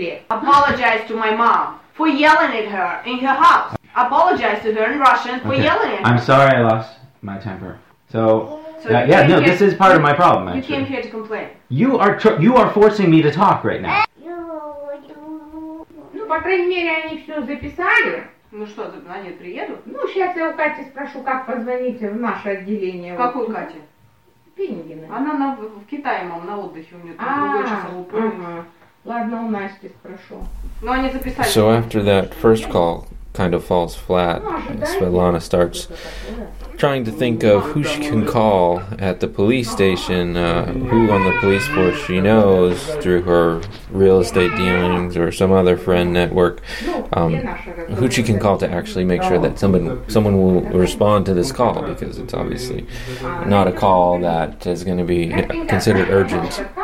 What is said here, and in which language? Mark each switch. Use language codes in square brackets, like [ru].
[en] Apologize to my mom for yelling at her in her house. Apologize to her in Russian for yelling at her. I'm sorry I lost my temper. So... This is part of my problem, actually. You came here to complain. You are forcing me to talk right now. [ru] Ну, по крайней мере, они все записали. Ну что, они приедут? Ну, сейчас я у Кати спрошу, как позвонить в наше отделение. В какую Кате? Пенигина. Она в Китае, мам, на отдыхе. У нее там другой часовой пояс. Ладно, у Насти спрошу. Ну, они записали. [en] So after that first call kind of falls flat, and Svetlana starts trying to think of who she can call at the police station, who on the police force she knows through her real estate dealings or some other friend network, who she can call to actually make sure that someone will respond to this call, because it's obviously not a call that is going to be considered urgent.